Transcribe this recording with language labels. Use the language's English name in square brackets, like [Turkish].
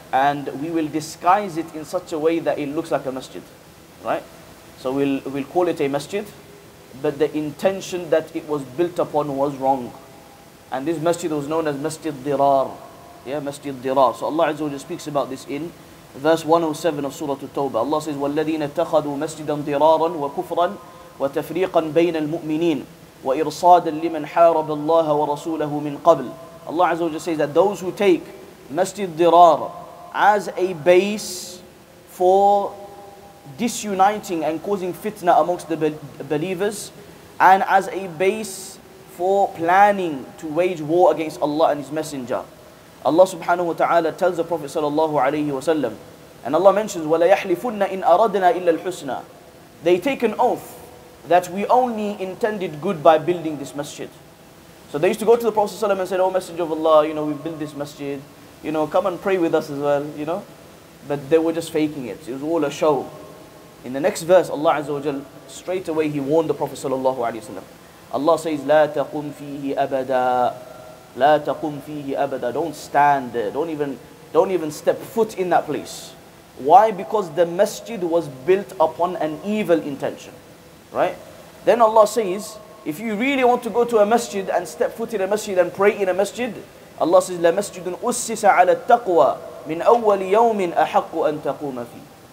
[English] And we will disguise it in such a way that it looks like a masjid, right? So we'll call it a masjid, but the intention that it was built upon was wrong. And this masjid was known as Masjid Dirar. Yeah, Masjid Dirar. So Allah Azza wa Jalla speaks about this in verse 107 of Surah At-Tawbah. Allah says, [Arabic] وَالَّذِينَ اتَّخَذُوا مَسْجِدًا ضِرَارًا وَكُفْرًا وَتَفْرِيقًا بَيْنَ الْمُؤْمِنِينَ وَإِرْصَادًا لِمَنْ حَارَبَ اللَّهَ وَرَسُولَهُ مِنْ قَبْلِ. [English] Allah Azza wa Jalla says that those who take Masjid Dirar as a base for disuniting and causing fitna amongst the believers, and as a base for planning to wage war against Allah and His Messenger, Allah subhanahu wa ta'ala tells the Prophet sallallahu alayhi wa sallam, and Allah mentions, [Arabic] وَلَيَحْلِفُنَّ إِنْ أَرَدْنَا إِلَّا الْحُسْنَى. [English] They take an oath that we only intended good by building this masjid. So they used to go to the Prophet sallallahu alayhi wa sallam and said, oh, Messenger of Allah, you know, we built this masjid, you know, come and pray with us as well, you know. But they were just faking it. It was all a show. In the next verse, Allah Azza wa Jal, straight away He warned the Prophet sallallahu alayhi wa sallam. Allah says, [Arabic] لَا تَقُمْ فِيهِ أَبَدًا. لَا تَقُمْ فِيهِ أَبَدًا. [English] Don't stand there. Don't even step foot in that place. Why? Because the masjid was built upon an evil intention. Right? Then Allah says, if you really want to go to a masjid and step foot in a masjid and pray in a masjid, Allah says, [Arabic] لَا مَسْجِدٌ أُسِّسَ عَلَى التَّقْوَى مِنْ أَوَّلِ يَوْمٍ أَحَقُّ أَن تَقُومَ فِيهِ.